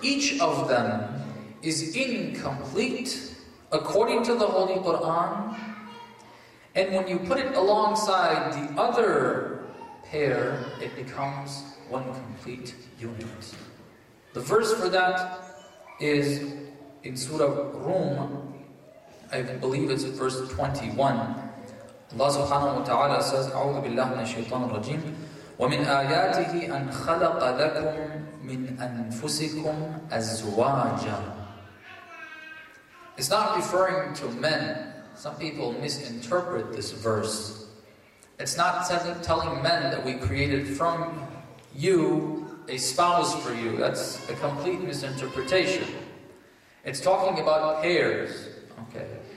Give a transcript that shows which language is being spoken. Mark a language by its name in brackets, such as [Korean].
[English] Each of them is incomplete according to the Holy Quran, and when you put it alongside the other pair, it becomes one complete unit. The verse for that is in Surah Rum, I believe it's verse 21. Allah subhanahu wa ta'ala says, [Arabic] أعوذ بالله من الشيطان الرجيم ومن آياته أن خلق لكم من أنفسكم أزواجا. [English] It's not referring to men. Some people misinterpret this verse. It's not telling men that we created from you a spouse for you. That's a complete misinterpretation. It's talking about pairs. Okay.